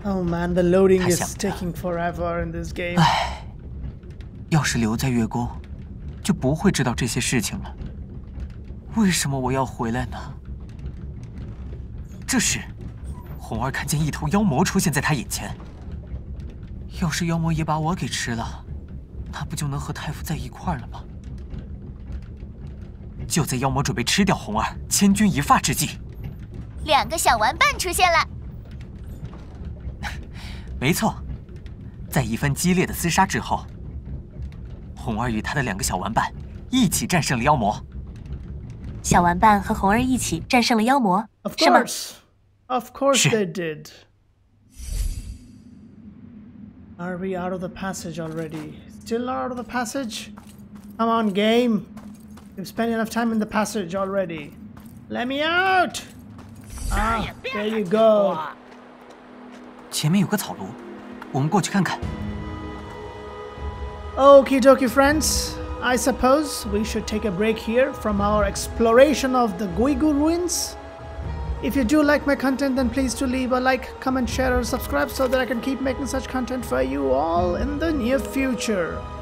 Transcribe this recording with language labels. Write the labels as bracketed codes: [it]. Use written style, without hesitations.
[en] Oh man, the loading is taking forever in this game. [zh] 唉，要是留在月宫，就不会知道这些事情了。为什么我要回来呢？这时，红儿看见一头妖魔出现在他眼前。要是妖魔也把我给吃了，那不就能和太傅在一块儿了吗？就在妖魔准备吃掉红儿，千钧一发之际，两个小玩伴出现了。没错，在一番激烈的厮杀之后，红儿与他的两个小玩伴一起战胜了妖魔。小玩伴和红儿一起战胜了妖魔？ [en] Of course. Of course they did. Are we out of the passage already? Still out of the passage? Come on, game. You've spent enough time in the passage already. Let me out! There you go. [zh] 前面有个草庐，我们过去看看。 [en] Okie dokie, friends. I suppose we should take a break here from our exploration of the Guigu ruins. If you do like my content, then please do leave a like, comment, share, or subscribe so that I can keep making such content for you all in the near future.